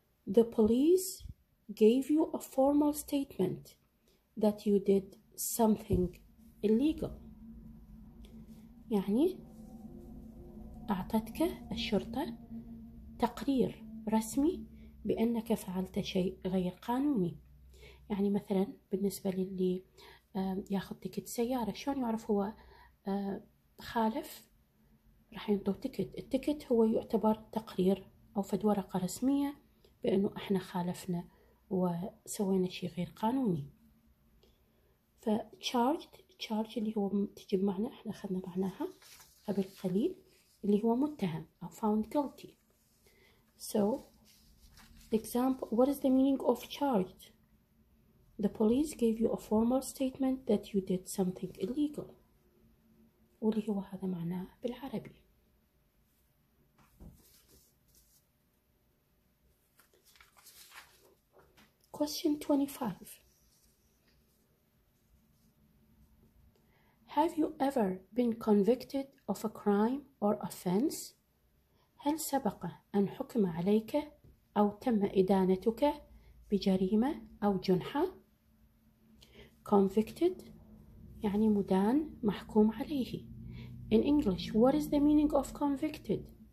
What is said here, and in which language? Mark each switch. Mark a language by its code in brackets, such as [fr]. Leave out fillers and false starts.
[en] The police gave you a formal statement that you did something illegal. [ar] يعني أعطتك الشرطة تقرير رسمي بأنك فعلت شيء غير قانوني. يعني مثلا بالنسبة للي ياخذ تيكت سيارة, شلون يعرف هو خالف؟ راح ينطوا تيكت. التيكت هو يعتبر تقرير أو فد ورقة رسمية بأنه احنا خالفنا وسوينا شيء غير قانوني. فcharged charge اللي هو تجمعنا احنا اخذنا معناها قبل قليل اللي هو متهم أو [en] found guilty. So example, what is the meaning of charged? The police gave you a formal statement that you did something illegal. [ar] واللي هو هذا معناه بالعربي. [en] Question 25. Have you ever been convicted of a crime or offense? [ar] هل سبق أن حكم عليك أو تم إدانتك بجريمة أو جنحة؟ Convicted يعني مدان محكوم عليه. [en] In English, what is the meaning of convicted?